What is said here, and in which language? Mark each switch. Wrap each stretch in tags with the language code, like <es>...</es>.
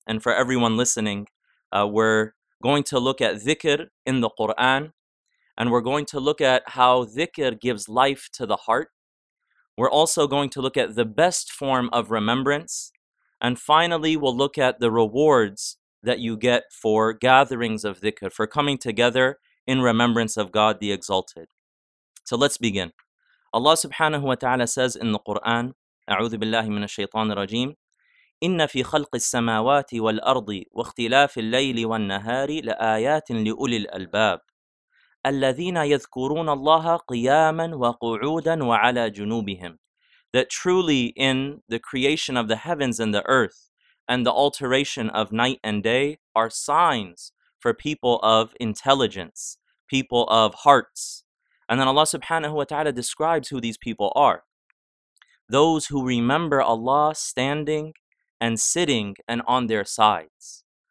<en>And for everyone listening, we're going to look at dhikr in the Quran, and we're going to look at how dhikr gives life to the heart. We're also going to look at the best form of remembrance. And finally, we'll look at the rewards that you get for gatherings of dhikr, for coming together in remembrance of God the Exalted. So let's begin. Allah subhanahu wa ta'ala says in the Quran,</en> <ar>أعوذ بالله من الشيطان الرجيم, إن في خلق السماوات والأرض واختلاف الليل والنهار لآيات لأولي الألباب الذين يذكرون الله قياما وقعودا وعلى جنوبهم.</ar> <en>That truly in the creation of the heavens and the earth and the alteration of night and day are signs for people of intelligence, people of hearts. And then Allah subhanahu wa ta'ala describes who these people are. Those who remember Allah standing and sitting and on their sides.</en>